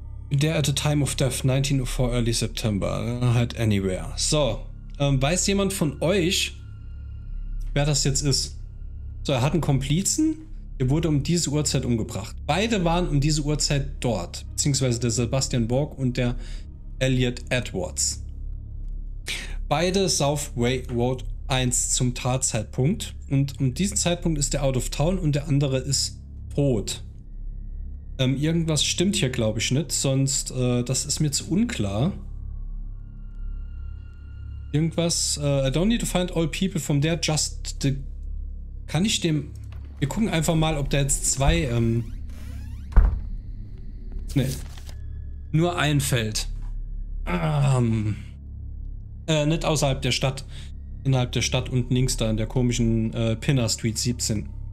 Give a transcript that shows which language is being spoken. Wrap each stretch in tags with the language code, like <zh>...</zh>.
<en>There at the time of death, 1904, early September. Hide anywhere.</en> <de>So, weiß jemand von euch, wer das jetzt ist? So, er hat einen Komplizen. Er wurde um diese Uhrzeit umgebracht. Beide waren um diese Uhrzeit dort. Beziehungsweise der Sebastian Borg und der Elliot Edwards. Beide South Way Road 1 zum Tatzeitpunkt. Und um diesen Zeitpunkt ist der</de> <en>out of town</en> <de>und der andere ist tot. Irgendwas stimmt hier, glaube ich, nicht. Sonst, das ist mir zu unklar. Irgendwas,</de> <en>I don't need to find all people from there, just the...</en> <de>Kann ich dem... Wir gucken einfach mal, ob der jetzt zwei, nee. Nur ein Feld. Nicht außerhalb der Stadt. Innerhalb der Stadt unten links da in der komischen Pinner Street 17.</de>